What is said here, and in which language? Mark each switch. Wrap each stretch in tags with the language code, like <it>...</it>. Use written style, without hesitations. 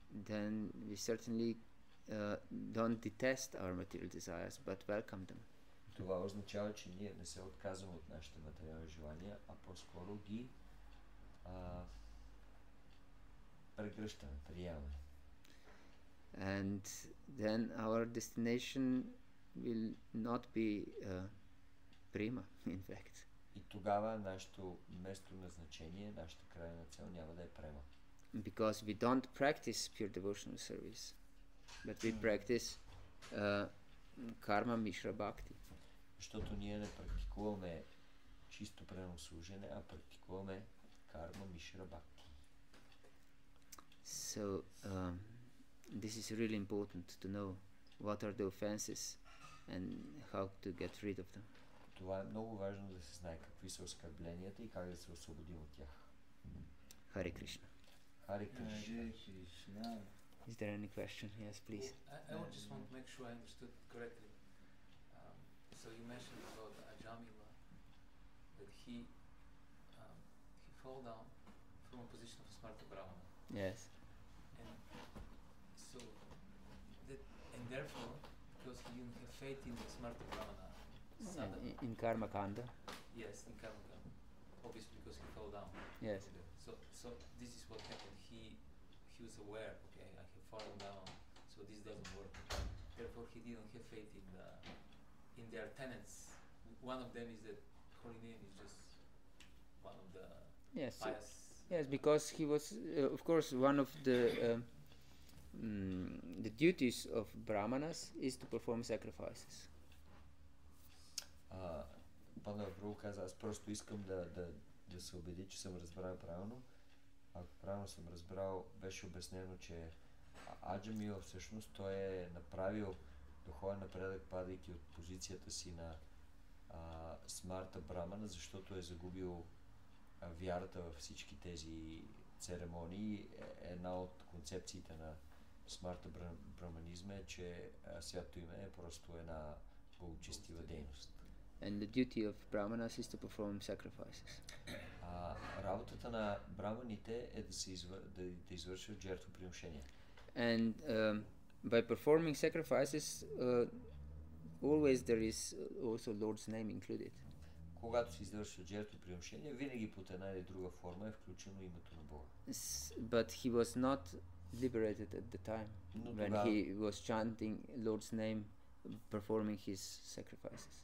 <en>Then we certainly don't detest our material desires, but welcome them.</en> <bg>Това означава, че ние не се отказваме от нашите материални желания, а по-скоро ги прегръщаме, приемаме.</bg> <en>And then our destination will not be prima, in fact.</en> <bg>И тогава нашето место на значение, нашата крайна цел няма да е према.</bg> <en>Because we don't practice pure devotional service. But we practice karma mishra bhakti.</en> <bg>Защото ние не практикуваме чисто преносно служене, а практикуваме карма мишра бхакти.</bg> <en>So this is really important to know what are the offenses and how to get rid of them.</en> <bg>Това е много важно да се знае какви са оскърбленията и как да се освободим от тях.</bg> <en>Hare Krishna. Hare Krishna. Is there any question? Yes, please. I just want to make sure I understood correctly. So you mentioned about Ajamila, that he fell down from a position of a smart Brahma. Yes. And so that, and therefore, because he didn't have faith in the smart Brahma, in Karma Kanda. Yes, in Karma Kanda. Obviously, because he fell down. Yes. So this is what happened. He was aware. Okay. Fallen down, so this doesn't work. Therefore, he didn't have faith in their tenets. One of them is that holy name is just one of the yes, pious. Yes, because he was, of course, one of the duties of brahmanas is to perform sacrifices.</en> <bg>Пана Прабху каза, аз просто искам да се убеди, че съм разбрал правилно. ако правилно съм разбрал, беше обяснено, че Аджамила всъщност той е направил духовен напредък, падайки от позицията си на смарта брамана, защото е загубил вярата във всички тези церемонии. Една от концепциите на смарта браманизма е, че святото име е просто една благочестива дейност.</bg> <en>And the duty of brahmanas is to perform sacrifices.</en> <bg>Работата на браманите е да се да извършват жертвоприношения.</bg> <en>And by performing sacrifices always there is also Lord's name included.</en> <bg>Когато се извършва жертвоприношение, винаги под една или друга форма е включено името на Бога.</bg> <en>But he was not liberated at the time when he was chanting Lord's name, performing his sacrifices.</en>